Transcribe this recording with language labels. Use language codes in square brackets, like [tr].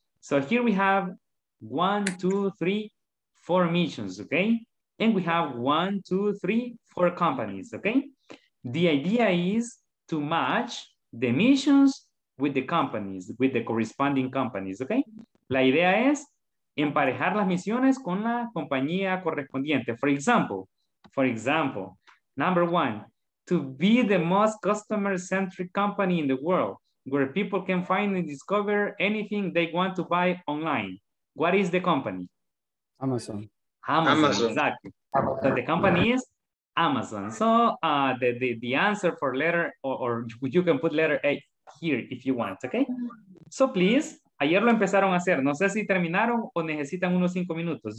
[en] So here we have 1, 2, 3, 4 missions, okay? And we have 1, 2, 3, 4 companies, okay? The idea is to match the missions with the companies, with the corresponding companies, okay? [es] La idea es emparejar las misiones con la compañía correspondiente. [en] For example, number one, to be the most customer-centric company in the world where people can find and discover anything they want to buy online. What is the company? Amazon. Exactly. Amazon. So the company is Amazon. So the answer for letter, or you can put letter A here if you want, okay? So please, [es] ayer lo empezaron a hacer. No sé si terminaron o necesitan unos 5 minutos.